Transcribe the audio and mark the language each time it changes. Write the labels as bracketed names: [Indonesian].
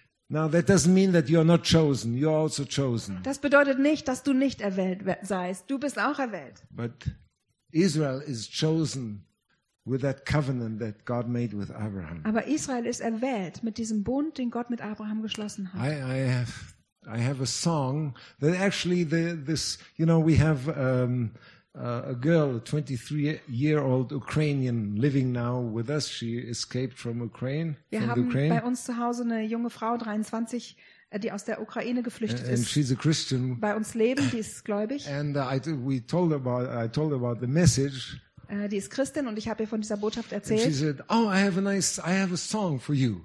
[English] Now that doesn't mean that you are not chosen. You are also chosen. [German] Das bedeutet nicht, dass du nicht erwählt seist. Du bist auch erwählt. [English] But Israel is chosen with that covenant that God made with Abraham. [German] Aber Israel ist erwählt mit diesem Bund, den Gott mit Abraham geschlossen hat. [English] I have a song that actually this, we have a girl, a 23-year-old Ukrainian living now with us. She escaped from Ukraine. [German] Wir haben bei uns zu Hause eine junge Frau, 23, die aus der Ukraine geflüchtet ist. [English] And she's a Christian. [German] Bei uns leben, die ist gläubig. [English] And I told her about the message. [German] Die ist Christin und ich habe ihr von dieser Botschaft erzählt. [English] And she said, oh, I have a song for you.